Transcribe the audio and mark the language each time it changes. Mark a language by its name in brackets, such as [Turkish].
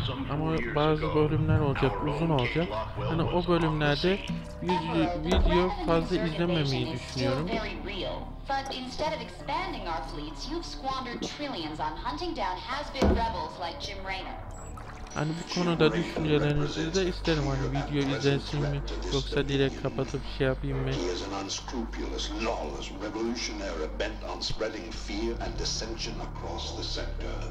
[Turkish] Ama bazı bölümler olacak, uzun olacak. Hani o bölümlerde video fazla izlememeyi düşünüyorum. [English] But instead of expanding our fleets, you've squandered trillions on hunting down has-been rebels like Jim Raynor. [Turkish] Hani bu konuda düşüncelerinizi de isterim, hani video izlensin mi yoksa direkt kapatıp şey yapayım mı? [English] He is an unscrupulous, lawless revolutionary bent on spreading fear and dissension across the sector.